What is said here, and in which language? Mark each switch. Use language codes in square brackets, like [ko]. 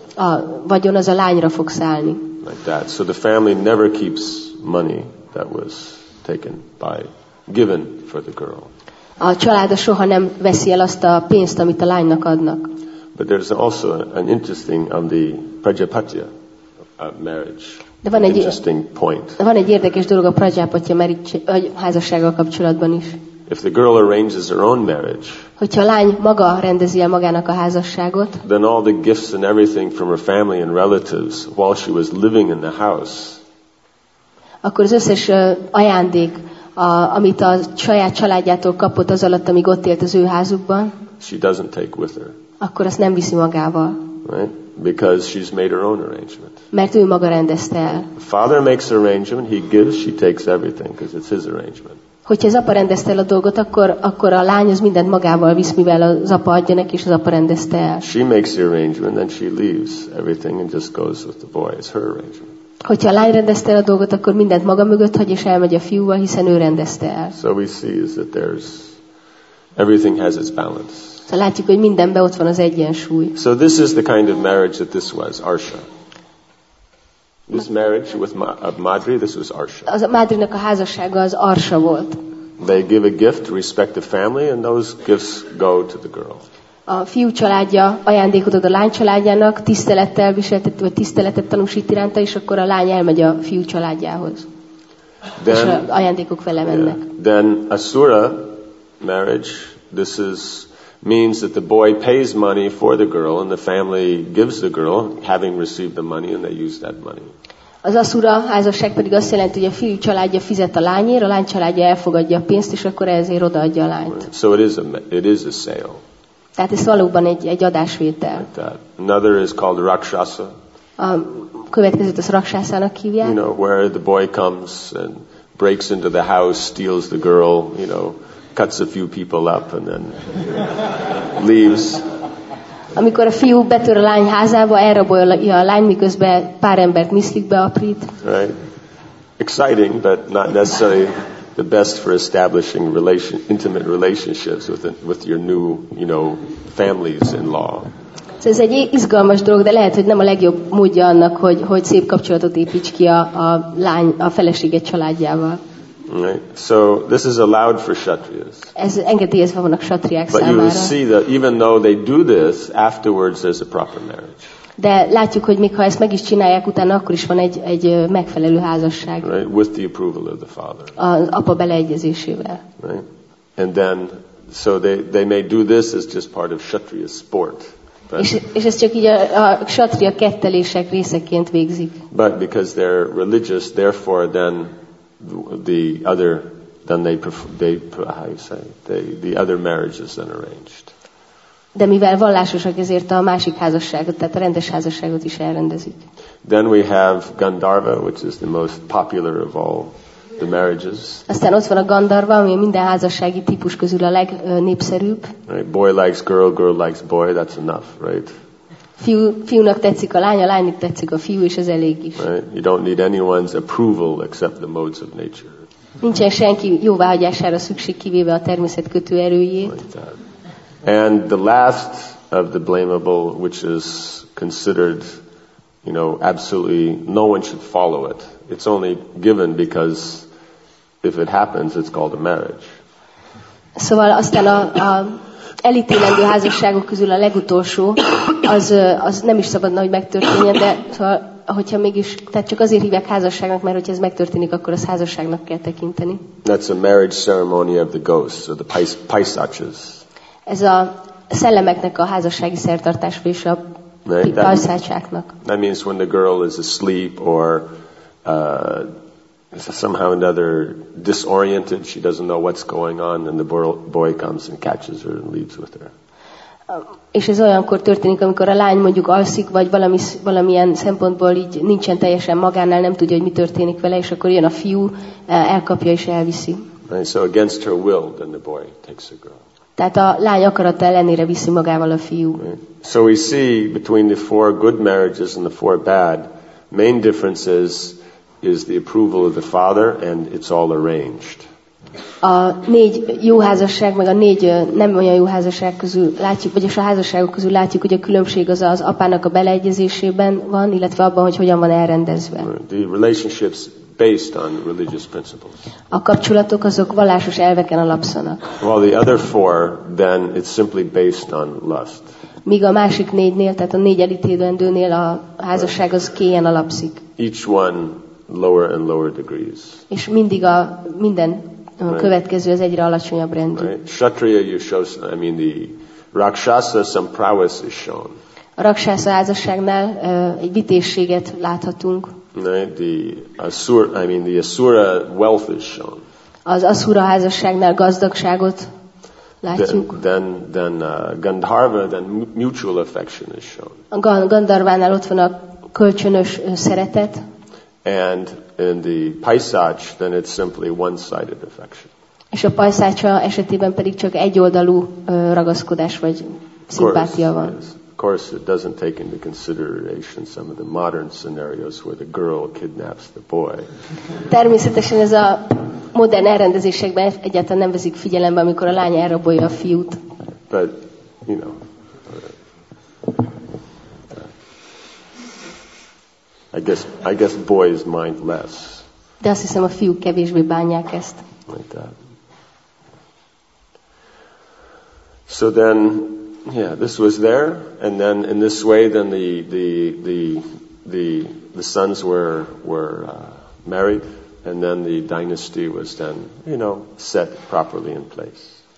[hu] A vagyon az a lányra fog szállni. [en] Like that. So the family never keeps money that was taken by given for the girl. [hu] A család soha nem veszi el azt a pénzt, amit a lánynak adnak. [en] But there's also an interesting on the Prajapatya marriage. [hu] De van egy [en] interesting point. [hu] Van egy érdekes dolog a Prajapatya házassággal kapcsolatban is. [en] If the girl arranges her own marriage, [hu] hogyha a lány maga rendezi el magának a házasságot, [en] then all the gifts and everything from her family and relatives while she was living in the house, [hu] akkor az összes ajándék, amit a saját családjától kapott az alatt, amíg ott élt az ő házukban, [en] she doesn't take with her. [hu] Akkor azt nem viszi magával. [en] Right? Because she's made her own arrangement. [hu] Mert ő maga rendezte el. [en] Father makes arrangement, he gives, she takes everything, because it's his arrangement. [hu] Hogyha az apa rendezte el a dolgot, akkor a lány az mindent magával visz, mivel az apa adja neki, és az apa rendezte el. [en] She makes the arrangement, then she leaves everything and just goes with the boy. It's her arrangement. [hu] Hogyha a lány rendezte el a dolgot, akkor mindent maga mögött hagy, és elmegy a fiúval, hiszen ő rendezte el. [en] So we see is that there's everything has its balance. [hu] Szóval látjuk, hogy mindenben ott van az egyensúly. [en] So this is the kind of marriage that this was, Arsha. This marriage with Madri, this was Arsha. [hu] Az a Madrinak a házassága az Arsha volt. [en] They give a gift to respect the family, and those gifts go to the girl. [hu] A fiú családja ajándékot ad a lány családjának, tisztelettel viseltet, vagy tiszteletet tanúsít iránta, és akkor a lány elmegy a fiú családjához. [en] Then, [hu] és az ajándékok vele mennek. [en] Yeah. Then Asura marriage, this is means that the boy pays money for the girl and the family gives the girl having received the money and they use that money. [hu] Az Asura házasság pedig azt jelenti, hogy a fiú családja fizet a lányért, a lány családja elfogadja a pénzt, és akkor ezért odaadja a lányt. [en] So it is a sale. [hu] Tehát ez valóban egy adásvétel. [en] Another is called Rakshasa. [hu] A következőt az Rakshasának hívják. [en] You know, where the boy comes and breaks into the house, steals the girl, you know, cuts a few people up and then leaves. [hu] Amikor a fiú betör a lány házába, elrabolja a lány, miközben pár embert miszlik beaprít. [en] Right. Exciting, but not necessarily the best for establishing intimate relationships with your new, you know, families in law. [hu] Szóval ez egy izgalmas dolog, de lehet, hogy nem a legjobb módja annak, hogy szép kapcsolatot építs ki a feleséged családjával. [en] Right. So this is allowed for kshatriyas. [hu] Ez engedélyezve vannak kshatriyák számára. [en] But you see that even though they do this, afterwards there's a proper marriage. [hu] De látjuk, hogy még ha ezt meg is csinálják, utána akkor is van egy megfelelő házasság. [en] Right? With the approval of the father. [hu] Az apa beleegyezésével. [en] Right? And then, so they may do this as just part of Kshatriya sport. [hu] És ez csak így a Kshatriya kettelések részeként végzik. [en] But because they're religious, therefore then the other, then the other marriage is then arranged. [hu] De mivel vallásosak, ezért a másik házasságot, tehát a rendes házasságot is elrendezik. [en] Then we have Gandharva, which is the most popular of all the marriages. [hu] Aztán ott van a Gandharva, ami minden házassági típus közül a legnépszerűbb. [en] Right? Boy likes girl, girl likes boy, that's enough, right? [hu] Fiúnak tetszik a lánynak tetszik a fiú, és ez elég is. [en] Right? You don't need anyone's approval except the modes of nature. [hu] Nincsen senki jóváhagyására szükség, kivéve a természet kötő erőjét. [en] And the last of the blamable, which is considered, you know, absolutely no one should follow it. It's only given because if it happens, it's called a marriage. [hu] Szóval aztán a elítélendő házasságok közül a legutolsó, az nem is szabadna, hogy megtörténjen, de szóval, hogyha mégis, tehát csak azért hívják házasságnak, mert hogyha ez megtörténik, akkor az házasságnak kell tekinteni. [en] That's a marriage ceremony of the ghosts, or the paisachas. [hu] Ez a szellemeknek a házassági szertartás és a pajszácsáknak. [en] That means when the girl is asleep or somehow another disoriented, she doesn't know what's going on, and the boy comes and catches her and leaves with her. [hu] És ez olyankor történik, amikor a lány mondjuk alszik, vagy valamilyen szempontból így nincsen teljesen magánál, nem tudja, hogy mi történik vele, és akkor jön a fiú, elkapja és elviszi. [en] And so against her will, then the boy takes the girl. [hu] Tehát a lány akarata ellenére viszi magával a fiú. [en] So we see between the four good marriages and the four bad, main difference is the approval of the father and it's all arranged. [hu] A négy jó házasság meg a négy nem olyan jó házasság közül látjuk, vagy a házasságok közül látjuk, hogy a különbség az az apának a beleegyezésében van, illetve abban, hogy hogyan van elrendezve. [en] The relationships based on religious principles. [hu] A kapcsolatok azok vallásos elveken alapszanak. [en] While the other four, then it's simply based on lust. [hu] Míg a másik négynél, tehát a négy elítélendőnél a házasság az kéjen alapszik. [en] Each one lower and lower degrees. [hu] És mindig a minden következő az egyre alacsonyabb rendű. [en] Right. Kshatriya, the rakshasa, some prowess is shown. [hu] A rakshasa házasságnál egy vitézséget láthatunk. [en] Right. The asura wealth is shown. [hu] Az asura házasságnál gazdagságot látjuk. [en] Then Gandharva, then mutual affection is shown. [hu] A Gandharvánál ott van a kölcsönös szeretet. [en] And in the paisach, then it's simply one-sided affection. [hu] És a paisacha esetében pedig csak egyoldalú ragaszkodás vagy szimpátia van. [en] Yes. Of course, it doesn't take into consideration some of the modern scenarios where the girl kidnaps the boy. [hu] Természetesen ez a modern elrendezésekben egyáltalán nem veszik figyelembe, amikor a lány elrabolja a fiút. [en] But, you know, I guess boys mind less. [hu] De azt hiszem, a fiúk kevésbé bánják ezt. [en] Like that. So then, yeah, this was there, and then in this way, then the sons were married, and then the dynasty was then, you know, set properly in place.